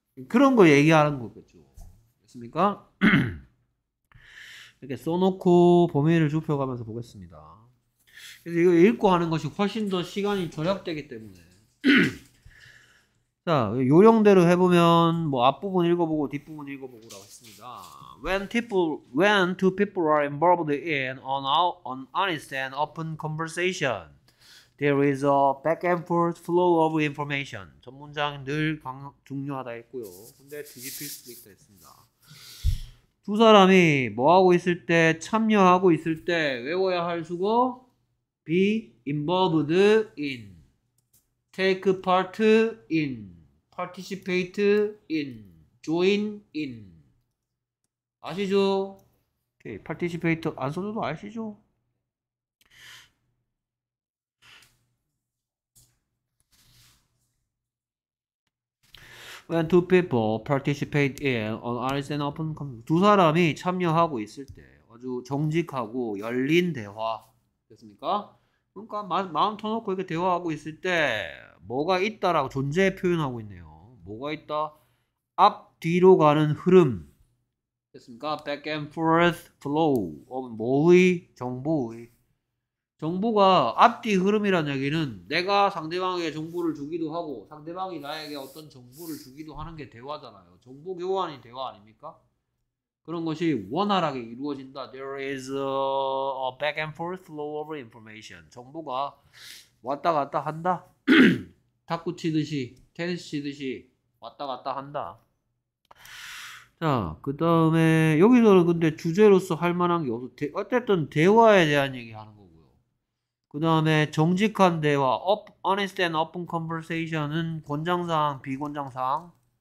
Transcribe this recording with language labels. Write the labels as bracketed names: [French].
[Korean] 그런 거 얘기하는 거겠죠. 됐습니까? 이렇게 써놓고 범위를 좁혀가면서 보겠습니다. 그래서 이거 읽고 하는 것이 훨씬 더 시간이 절약되기 때문에. 자, 요령대로 해보면, 뭐, 앞부분 읽어보고, 뒷부분 읽어보고라고 했습니다. [English] When two people are involved in an honest and open conversation, There is a back and forth flow of information. [Korean] 전 문장 늘 중요하다 했고요. 근데 뒤집힐 수도 있다 했습니다. 두 사람이 뭐 하고 있을 때, 참여하고 있을 때 외워야 할 수고? [English] Be involved in. Take part in. Participate in. Join in. [Korean] 아시죠? 오케이, 파티시페이트 안 써줘도 아시죠? [English] When two people participate in an open conversation. [Korean] 두 사람이 참여하고 있을 때 아주 정직하고 열린 대화 됐습니까? 그러니까 마음 터놓고 이렇게 대화하고 있을 때 뭐가 있다라고 존재 표현하고 있네요. 뭐가 있다? 앞 뒤로 가는 흐름 됐습니까? [English] Back and forth flow of [Korean] 뭐의 정보의 정보가 앞뒤 흐름이라는 얘기는 내가 상대방에게 정보를 주기도 하고 상대방이 나에게 어떤 정보를 주기도 하는 게 대화잖아요. 정보 교환이 대화 아닙니까? 그런 것이 원활하게 이루어진다. [English] There is a back and forth flow of information. [Korean] 정보가 왔다 갔다 한다. 탁구 치듯이, 테니스 치듯이 왔다 갔다 한다. 자, 그 다음에 여기서는 근데 주제로서 할 만한 게 없어. 어쨌든 대화에 대한 얘기 하는 거고요. 그 다음에 정직한 대화, [English] honest and open conversation [Korean] 은 권장사항, 비권장사항.